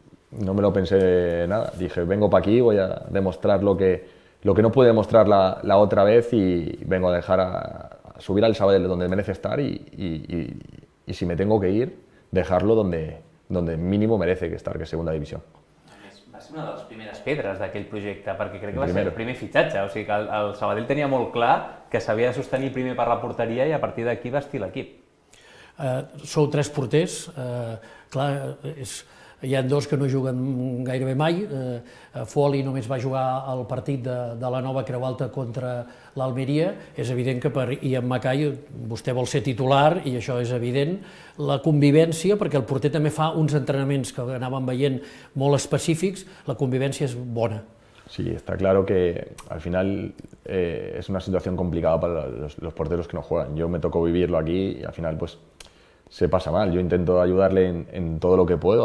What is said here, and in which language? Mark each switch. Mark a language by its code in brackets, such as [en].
[es] No me lo pensé nada. Dije, vengo para aquí, voy a demostrar lo que no pude demostrar la otra vez y vengo a dejar a subir al Sabadell donde merece estar y si me tengo que ir, dejarlo donde mínimo merece que estar, que es segunda división. [ca] Va ser una de les primeres pedres d'aquell projecte, perquè crec que va ser el primer fitxatge. O sigui que el Sabadell tenia molt clar que s'havia de sostenir primer per la porteria i a partir d'aquí vestir l'equip. Sou tres porters. Clar, hi ha dos que no juguen gairebé mai. Foli només va jugar el partit de la nova Creu Alta contra l'Almeria. És evident que per Ian Mackay vostè vol ser titular i això és evident. La convivència, perquè el porter també fa uns entrenaments que anàvem veient molt específics, la convivència és bona. [es] Sí, está claro que al final es una situación complicada para los porteros que no juegan. Yo me tocó vivirlo aquí y al final pues se pasa mal. Yo intento ayudarle en todo lo que puedo.